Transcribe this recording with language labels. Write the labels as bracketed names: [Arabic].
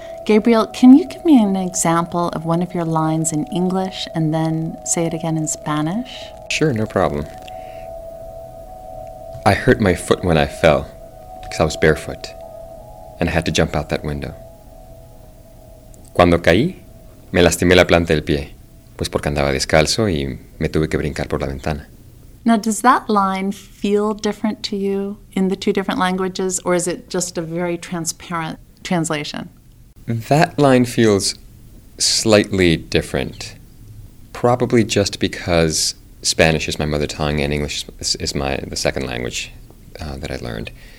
[English] Gabriel, can you give me an example of one of your lines in English and then say it again in Spanish? Sure, no problem. I hurt my foot when I fell because I was barefoot and I had to jump out that window. [Spanish] Cuando caí, me lastimé la planta del pie, pues porque andaba descalzo y me tuve que brincar por la ventana. [English] Now, does that line feel different to you in the two different languages, or is it just a very transparent translation? That line feels slightly different, probably just because Spanish is my mother tongue and English is the second language that I learned.